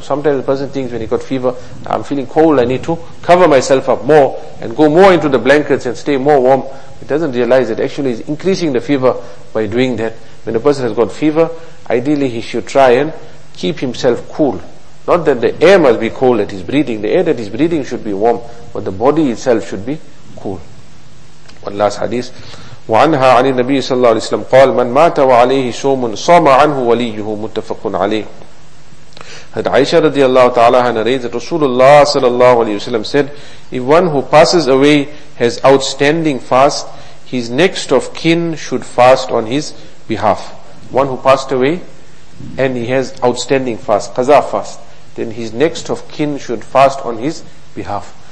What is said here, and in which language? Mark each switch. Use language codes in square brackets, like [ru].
[en] Sometimes the person thinks when he got fever, I'm feeling cold, I need to cover myself up more and go more into the blankets and stay more warm. He doesn't realize that actually he's increasing the fever by doing that. When a person has got fever, ideally he should try and keep himself cool. Not that the air must be cold that he's breathing, the air that he's breathing should be warm, but the body itself should be cool. One last hadith. [ar] وعنها عن النبي صلى الله عليه وسلم قال من مات وعليه صوم صام عنه وليه متفق عليه. [en] Had Aisha radiallahu ta'ala narrated that Rasulullah sallallahu alayhi wasallam said, if one who passes away has outstanding fast, his next of kin should fast on his behalf. One who passed away and he has outstanding fast, qaza fast, then his next of kin should fast on his behalf.